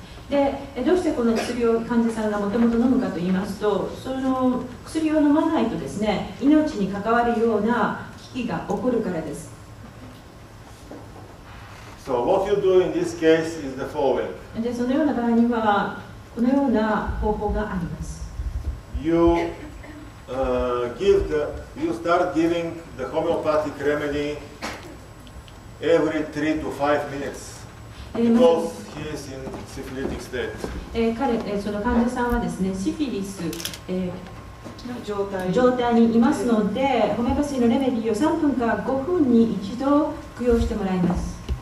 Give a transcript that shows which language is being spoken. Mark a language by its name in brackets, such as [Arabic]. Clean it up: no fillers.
[Japanese] で、どうしてこの薬を患者さんがもともと飲むかと言いますと、その薬を飲まないとですね、命に関わるような危機が起こるからです。 [English] So what you do in this case is the following. [Japanese] で、そのような場合にはこのような方法があります。 [English] You give the you start giving the homeopathic remedy every 3 to 5 minutes. Because he is in syphilitic state. [Japanese] 彼、その患者さんはですね、シフィリス、状態にいますので、ホメオパシーのレメディーを3分か5分に一度服用してもらいます。